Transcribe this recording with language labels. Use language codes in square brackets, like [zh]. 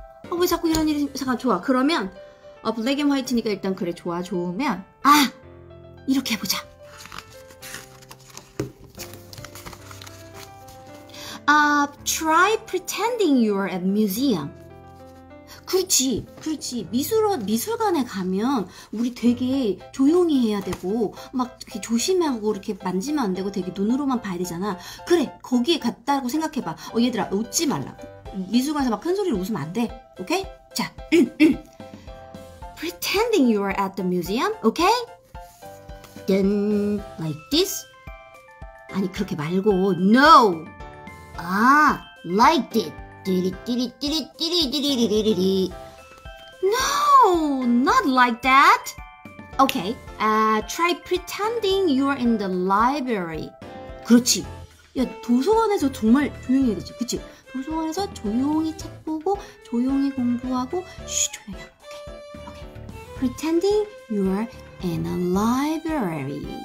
[ko] 왜 자꾸 이런 일이 잠깐 좋아. 그러면 [en] black and white [ko] 니까 일단 그래 좋아 좋으면 이렇게 해보자. [en] Try pretending you are at museum. [ko] 그렇지, 그렇지. 미술관에 가면 우리 되게 조용히 해야 되고 막 이렇게 조심하고 이렇게 만지면 안 되고 되게 눈으로만 봐야 되잖아. 그래, 거기에 갔다고 생각해봐. 어, 얘들아, 웃지 말라고. 미술관에서 막 큰 소리로 웃으면 안 돼. [en] 오케이? 자, pretending you are at the museum, okay? Then like this. [ko] 아니 그렇게 말고 [en] no. 아, like this. 띠리띠리띠리띠리띠리리리리리. No, not like that. Okay, try pretending you're in the library. [ko] 그렇지. 야, 도서관에서 정말 조용히 해야 되지. 그치? 도서관에서 조용히 책 보고, 조용히 공부하고, 쉬, 조용히 하고. [en] Okay, okay. Pretending you're in a library.